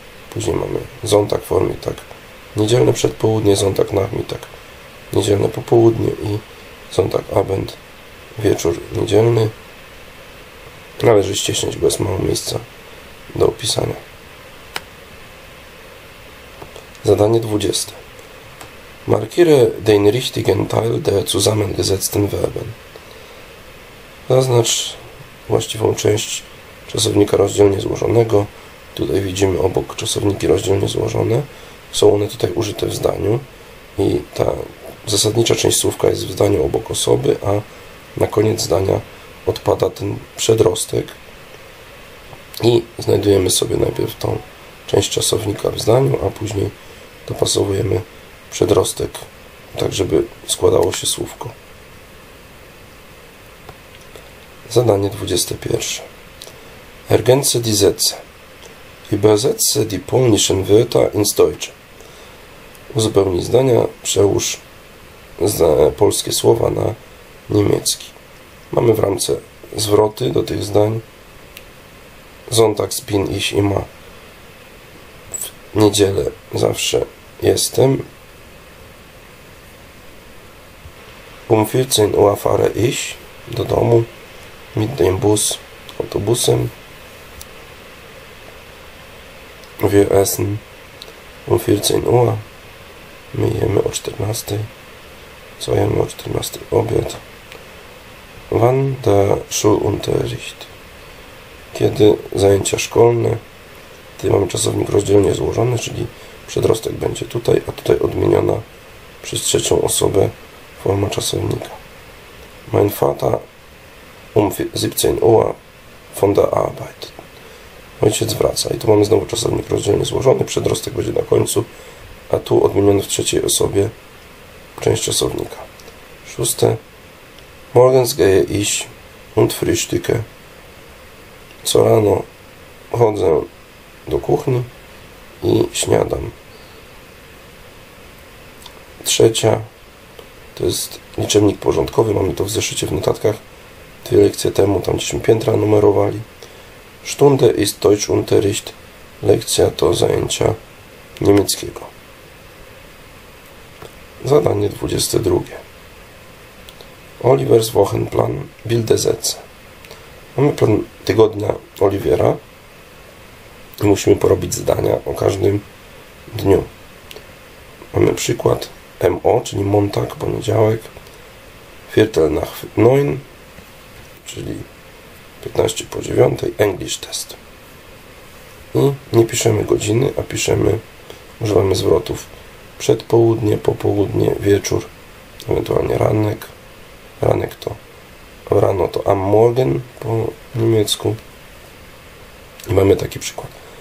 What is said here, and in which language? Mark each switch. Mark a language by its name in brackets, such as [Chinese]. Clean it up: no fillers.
[Polish] Później mamy Sonntag Vormittag, niedzielne przedpołudnie, Sonntag Nachmittag, niedzielne popołudnie, i Sonntag Abend wieczór niedzielny. Należy ścisnąć, bo jest mało miejsca do opisania. Zadanie 20. [German] Markiere den richtigen Teil der zusammengesetzten Verben. [Polish] Zaznacz właściwą część czasownika rozdzielnie złożonego. Tutaj widzimy obok czasowniki rozdzielnie złożone. Są one tutaj użyte w zdaniu i ta zasadnicza część słówka jest w zdaniu obok osoby, a na koniec zdania odpada ten przedrostek i znajdujemy sobie najpierw tą część czasownika w zdaniu, a później dopasowujemy przedrostek, tak żeby składało się słówko. Zadanie 21. [German] Ergänze die Sätze. Übersetze die polnischen Wörter ins Deutsche. [Polish] Uzupełnij zdania, przełóż polskie słowa na niemiecki. Mamy w ramce zwroty do tych zdań. [German] Sonntags bin ich immer. [Polish] W niedzielę zawsze jestem. [German] Um 14 Uhr fahre ich [Polish] do domu [German] mit dem Bus, [Polish] autobusem. [German] Wir essen um 14 Uhr. [Polish] My jemy o 14. Co jemy o 14? Obiad. [German] Wann der Schulunterricht? [Polish] Kiedy zajęcia szkolne? Tutaj mamy czasownik rozdzielnie złożony, czyli przedrostek będzie tutaj, a tutaj odmieniona przez trzecią osobę forma czasownika. [German] Mein Vater um 17 Uhr von der Arbeit. [Polish] Ojciec wraca. I tu mamy znowu czasownik rozdzielnie złożony, przedrostek będzie na końcu, a tu odmieniony w trzeciej osobie część czasownika. Szóste. [German] Morgens gehe ich und frühstücke. [Polish] Co rano chodzę do kuchni i śniadam. Trzecia. To jest liczebnik porządkowy, mamy to w zeszycie w notatkach. Dwie lekcje temu, tamtyśmy piętra numerowali. [German] Stunde ist Deutschunterricht. [Polish] Lekcja to zajęcia niemieckiego. Zadanie 22. [German] Oliver's Wochenplan bilde Sätze. [Polish] Mamy plan tygodnia Olivera i musimy porobić zdania o każdym dniu. Mamy przykład. MO, czyli Montag, poniedziałek. [German] Viertel nach neun, [Polish] czyli 15 po 9. [English] English test. [Polish] i nie piszemy godziny, a piszemy, używamy zwrotów przedpołudnie, popołudnie, wieczór, ewentualnie ranek. Ranek to rano, to am morgen po niemiecku. I mamy taki przykład.